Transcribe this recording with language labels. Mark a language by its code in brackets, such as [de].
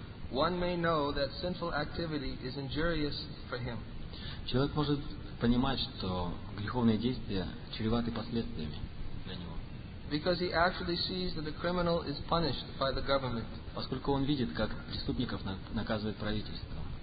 [en] One may know that sinful activity is injurious for him. [ru] Человек может понимать, что греховные действия чреваты последствиями для него. [en] Because he actually sees that the criminal is punished by the government. [ru] Поскольку он видит, как преступников наказывает правительство.